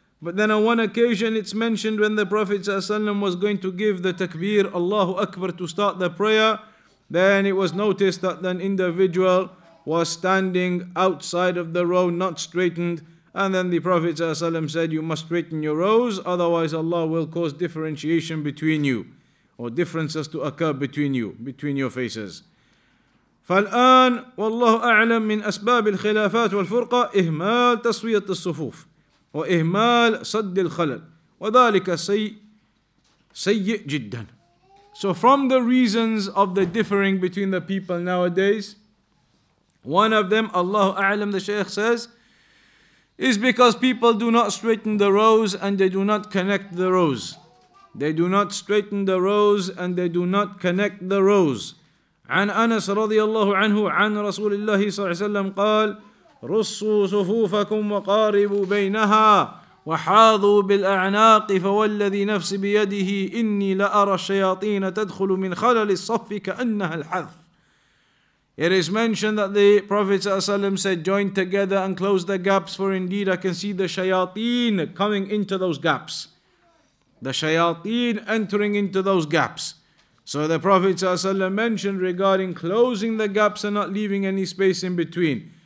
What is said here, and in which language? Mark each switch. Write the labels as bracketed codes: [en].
[en] But then on one occasion it's mentioned when the Prophet ﷺ was going to give the takbir, Allahu Akbar, to start the prayer, then it was noticed that an individual was standing outside of the row, not straightened. And then the Prophet ﷺ said, you must straighten your rows, otherwise Allah will cause differentiation between you, or differences to occur between you, between your faces. [ar] فالآن والله أعلم من أسباب الخلافات والفرقة إهمال تسوية الصفوف وإهمال صد الخلل وذلك سيء جدا. [en] So from the reasons of the differing between the people nowadays, one of them, [ar] الله أعلم, [en] the Shaykh says, is because people do not straighten the rows and they do not connect the rows. They do not straighten the rows and they do not connect the rows. [ar] عن أنس رضي الله عنه عن رسول الله صلى الله عليه وسلم قال رصوا صفوفكم وقاربوا بينها وحاضوا بالأعناق فوالذي نفس بيده إني لأرى الشياطين تدخل من خلل الصف كأنها الحذف. [en] It is mentioned that the Prophet [ar] صلى الله عليه وسلم [en] said, join together and close the gaps, for indeed I can see the shayateen coming into those gaps. The shayateen entering into those gaps. So the Prophet ﷺ mentioned regarding closing the gaps and not leaving any space in between.